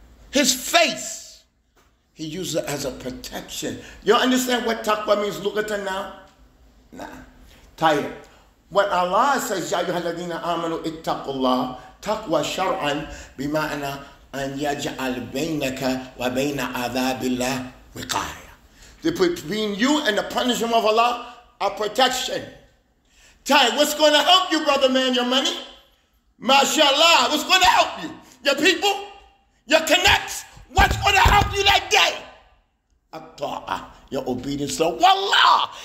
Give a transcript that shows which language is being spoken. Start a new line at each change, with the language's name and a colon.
English: His face. He uses it as a protection. You understand what taqwa means, lugatan now? Nah. Tayyip. When Allah says,
Arabic: يَا أَيُّهَا الَّذِينَ آمَنُوا اتَّقُوا اللَّهَ, taqwa shar'an, bima'na أن يجعل بينك وبين عذاب الله وقاية.
English: They put between you and the punishment of Allah a protection. Ty, what's going to help you, brother man? Your money? MashaAllah, what's going to help you? Your people? Your connects? What's going to help you that day? At-ta'ah, your obedience. So, wallah,